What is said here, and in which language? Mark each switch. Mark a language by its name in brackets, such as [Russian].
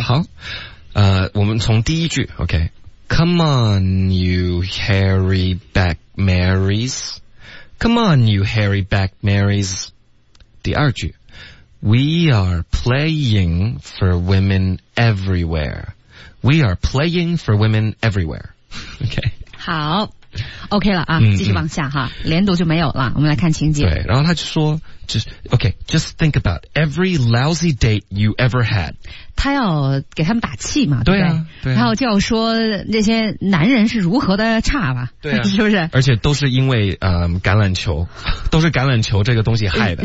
[Chinese] 好我们从第一句 [English] OK Come on you hairy back Marys Come on you hairy back Marys [Chinese] 第二句 [English] We are playing for women everywhere We are playing for women everywhere OK [Chinese] 好 OK 了啊继续往下哈连读就没有了我们来看情节对然后他就说 [English] OK just think about every lousy date you ever had [Chinese] 他要给他们打气嘛对啊对然后就要说那些男人是如何的差吧对、是不是而且都是因为橄榄球都是橄榄球这个东西害的